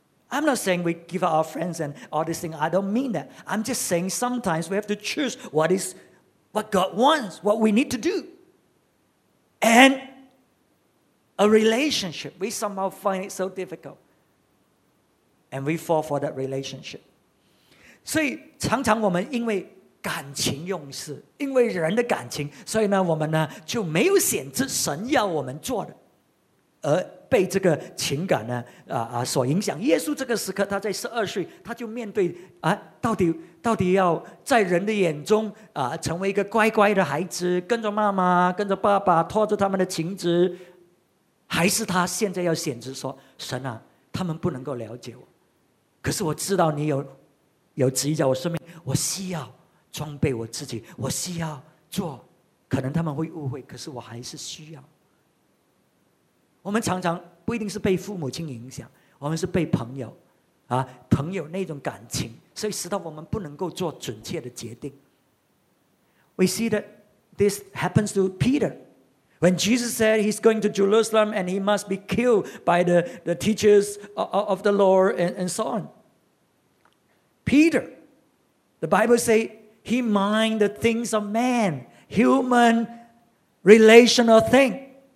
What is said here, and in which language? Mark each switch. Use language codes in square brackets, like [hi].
[en] I'm not saying we give up our friends and all these things. I don't mean that. I'm just saying sometimes we have to choose what God wants, what we need to do. And a relationship, we somehow find it so difficult. And we fall for that relationship. [zh] 所以常常我们因为感情用事，因为人的感情，所以呢，我们呢就没有选择神要我们做的，而被这个情感呢所影响。耶稣这个时刻，他在十二岁，他就面对啊，到底要在人的眼中啊，成为一个乖乖的孩子，跟着妈妈，跟着爸爸，拖着他们的情执，还是他现在要选择说，神啊，他们不能够了解我，可是我知道你有旨意在我生命，我需要装备我自己，我需要做，可能他们会误会，可是我还是需要。我们常常不一定是被父母亲影响，我们是被朋友啊，朋友那种感情，所以使到我们不能够做准确的决定。 [en] We see that this happens to Peter when Jesus said he's going to Jerusalem and he must be killed by the teachers of the law and so on. Peter, the Bible say he mind the things of man, human relational thing.